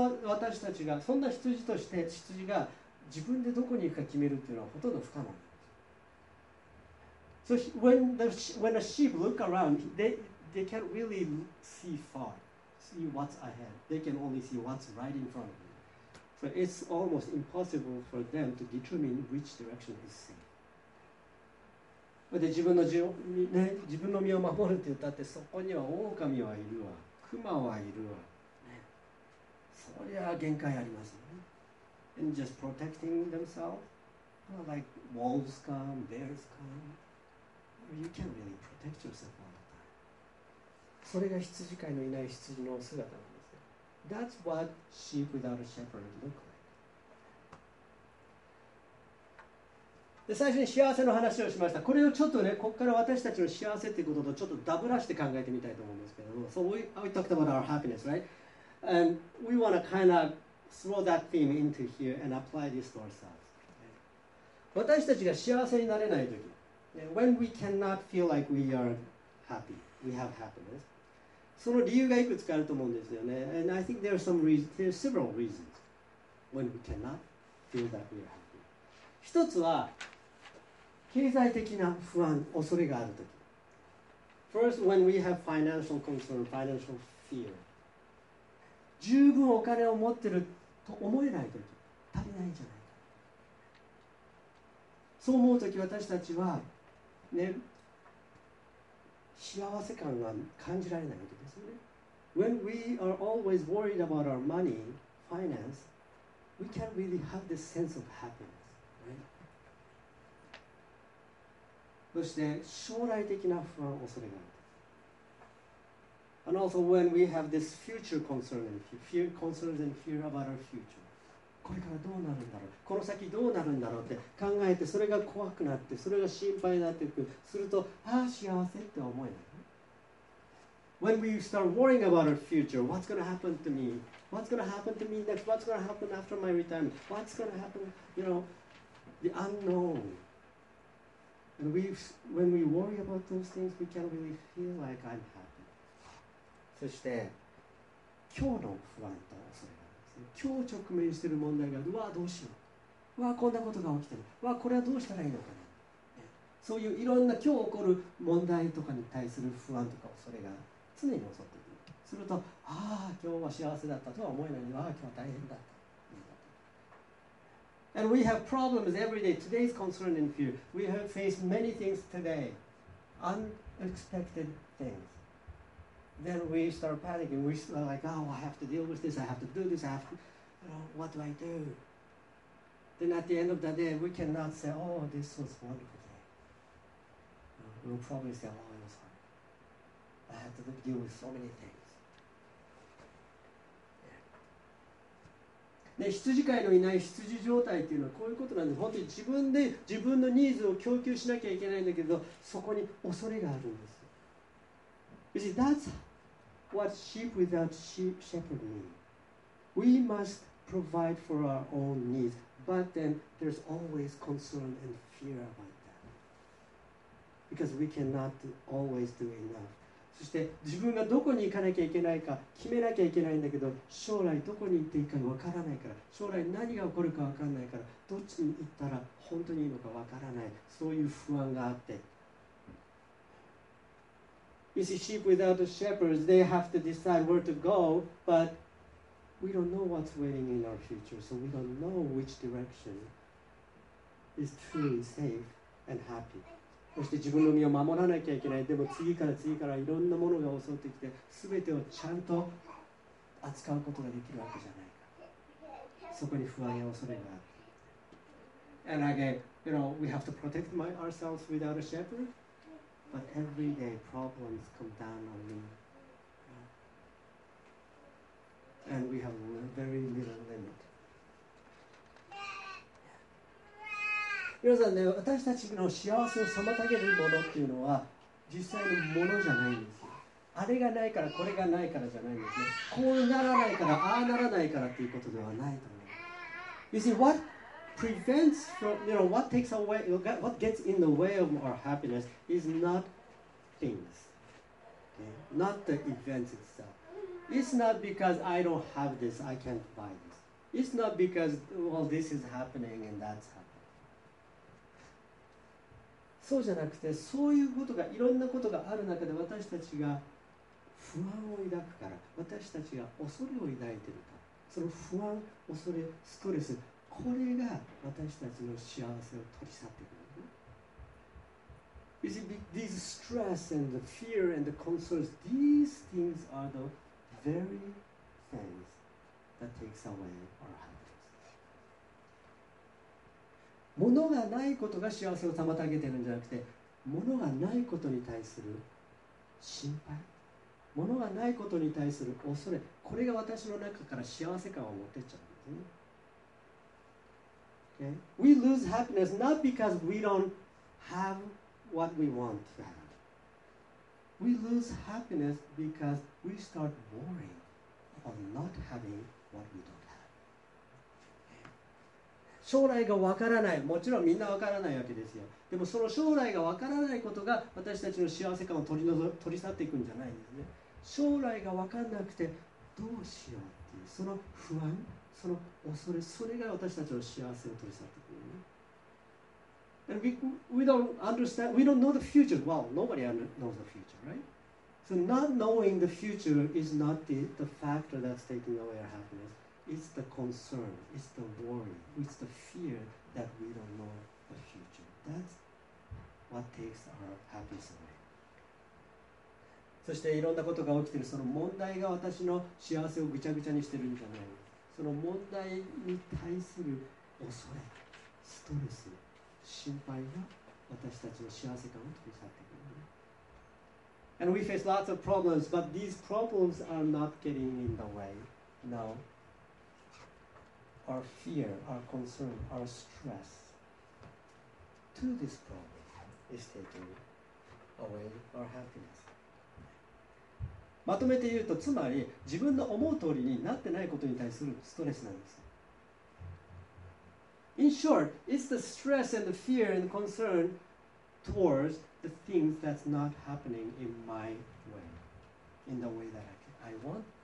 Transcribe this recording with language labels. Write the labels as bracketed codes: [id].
[ja] だからそんな私たちが、そんな羊として羊が自分でどこに行くか決めるっていうのはほとんど不可能なんです。 [en] So when the sheep look around, they can't really see farSee what's ahead. They can only see what's right in front of them. So it's almost impossible for them to determine which direction is safe. [ja] で、自分の身を守るって言ったって、そこには狼はいるわ、熊はいるわ。そりゃ限界ありますよね。 [en] And just protecting themselves, you know, like wolves come, bears come, you can't really protect yourself. [ja] それが羊飼いのいない羊の姿なんですよ。 [en] That's what sheep without a shepherd look like. [ja] で、最初に幸せの話をしました。これをちょっとね、ここから私たちの幸せということとちょっとダブらして考えてみたいと思うんですけども。 [en] So we talked about our happiness, right? And we want to kind of throw that theme into here and apply this to ourselves.、 Right? [ja] 私たちが幸せになれないとき、 [en] When we cannot feel like we are happy. We have happiness. [ja] その理由がいくつかあると思うんですよね。 [en] And I think there are several reasons when we cannot feel that we are happy. [ja] 一つは経済的な不安、恐れがあるとき。 [en] First, when we have financial concern, financial fear. [ja] 十分お金を持ってると思えないとき。足りないんじゃないか。そう思うとき私たちはね、幸せ感が感じられないわけですよね。 [en] When we are always worried about our money, finance, we can't really have this sense of happiness, right? [ja] そして将来的な不安、恐れがある。 [en] And also when we have this future concern and fear, concerns and fear about our future. [ja] これからどうなるんだろう、この先どうなるんだろうって考えて、それが怖くなって、それが心配になっていく、すると、ああ幸せって思えない。 [en] When we start worrying about our future, what's going to happen to me? What's going to happen to me next? What's going to happen after my retirement? What's going to happen, you know, the unknown. And when we worry about those things, we can't really feel like I'm happy. [ja] そして今日の不安と恐れ、今日直面している問題がある、わあどうしよう、わあこんなことが起きてる、わあこれはどうしたらいいのかな、そういういろんな今日起こる問題とかに対する不安とか恐れが常に襲っていく。すると、ああ今日は幸せだったとは思えないのに、わあ今日は大変だった。 [en] And we have problems every day. Today's concern and fear. We have faced many things today. Unexpected things. Then we start panicking. We start like, oh, I have to deal with this. I have to do this. I have to, you know, what do I do? Then at the end of the day, we cannot say, oh, this was a wonderful day. We'll probably say, oh, it was fine. I had to deal with so many things. [ja] ね、羊飼いのいない羊状態っていうのはこういうことなんで、本当に自分で自分のニーズを供給しなきゃいけないんだけど、そこに恐れがあるんです。 [en] You see, that's what sheep without sheep shepherd mean. We must provide for our own needs, but then there's always concern and fear about that. Because we cannot always do enough. [ja] そして自分がどこに行かなきゃいけないか決めなきゃいけないんだけど、将来どこに行っていいかわからないから、将来何が起こるかわからないから、どっちに行ったら本当にいいのかわからない、そういう不安があって。 [en] You see, sheep without shepherds, they have to decide where to go, but we don't know what's waiting in our future, so we don't know which direction is truly safe and happy. [ja] そして自分の身を守らなきゃいけない、でも次から次からいろんなものが襲ってきて、全てをちゃんと扱うことができるわけじゃないか、そこに不安や恐れがある。 [en] And again, you know, we have to protect ourselves without a shepherd, but every day problems come down on me, and we have very little limit. [ja] 皆さんね、私たちの幸せを妨げるものっていうのは実際のものじゃないんですよ。あれがないからこれがないからじゃないんですね。こうならないからああならないからっていうことではないと思う。 [en] You see, what prevents from, you know, what takes away, what gets in the way of our happiness is not things,、okay? not the events itself. It's not because I don't have this, I can't buy this. It's not because, well, this is happening and that's happening. [ja] そうじゃなくて、そういうことが、いろんなことがある中で私たちが不安を抱くから、私たちが恐れを抱いているから、その不安、恐れ、ストレス、これが私たちの幸せを取り去ってくる。 [en] You see, these stress and the fear and the concerns, these things are the very things that takes away our happiness. [ja] 物がないことが幸せを妨げているんじゃなくて、物がないことに対する心配、物がないことに対する恐れ、これが私の中から幸せ感を持っていっちゃうんですね。 [en] Okay? We lose happiness not because we don't have what we want to have. We lose happiness because we start worrying about not having what we don't. [ja] 将来がわからない、もちろんみんなわからないわけですよ。でもその将来がわからないことが私たちの幸せ感を取り去っていくんじゃないんですね。将来がわからなくてどうしようっていう、その不安、その恐れ、それが私たちの幸せを取り去っていくのね。 [en] And we don't understand, we don't know the future. Well, nobody knows the future, right? So not knowing the future is not the factor that's taking away our happiness. It's the concern, it's the worry, it's the fear that we don't know the future. That's what takes our happiness away. [ja] そしていろんなことが起きている、その問題が私の幸せをぐちゃぐちゃにしているんじゃない。その問題に対する恐れ、ストレス、心配が私たちの幸せ感を取り去ってくる。 [en] And we face lots of problems, but these problems are not getting in the way now. Our fear, our concern, our stress to this problem is taking away our happiness. [ja] まとめて言うと、つまり自分の思う通りになってないことに対するストレスなんです。 [en] In short, it's the stress and the fear and concern towards the things that's not happening in my way, in the way that I want it to happen.